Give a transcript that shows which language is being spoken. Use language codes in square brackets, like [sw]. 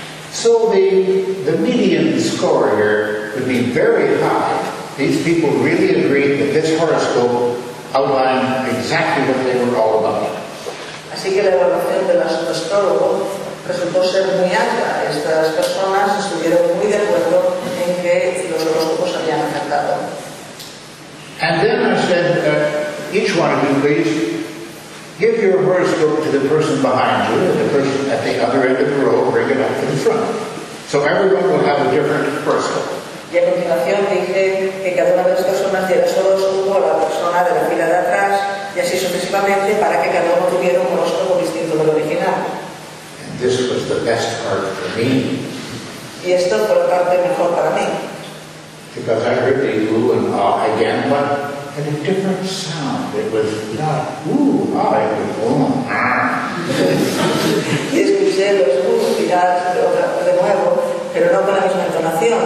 [en] So the median score here would be very high. These people really agreed that this horoscope outlined exactly what they were all about. [es] Así que la evaluación del astrólogo resultó ser muy alta. Estas personas estuvieron muy de acuerdo en que los horóscopos habían acertado. [en] And then I said, each one of you, please, give your horoscope to the person behind you, and the person at the other end of the row, bring it up to the front. So everyone will have a different horoscope. [es] Y a continuación dije que cada una de las personas diera su horóscopo a la persona de la fila de atrás, y así sucesivamente, para que cada uno tuviera un horóscopo distinto del original. [en] And this was the best part for me. [es] Y esto fue la parte mejor para mí. [en] Because I heard the ooh and ah again, but in a different sound. It was not ooh, ah, it was ooh, ah. [es] Y escuché los ooh y ahs de nuevo, pero no con la misma entonación.